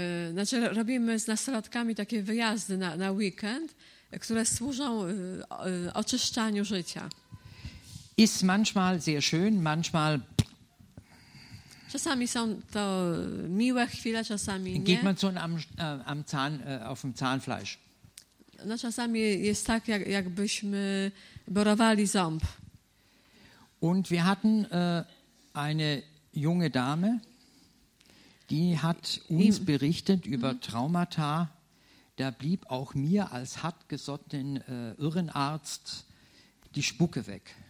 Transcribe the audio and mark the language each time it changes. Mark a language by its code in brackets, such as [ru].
[pl] Znaczy robimy z nastolatkami takie wyjazdy na weekend, które służą oczyszczaniu życia. [de] Ist manchmal sehr schön, manchmal. [pl] Czasami są to miłe chwile, czasami nie. [de] Geht man so am Zahn, auf dem Zahnfleisch. [pl] No czasami jest tak, jakbyśmy borowali ząb. [de] Und wir hatten eine junge Dame, die hat uns berichtet über Traumata. Da blieb auch mir als hartgesottenen Irrenarzt die Spucke weg.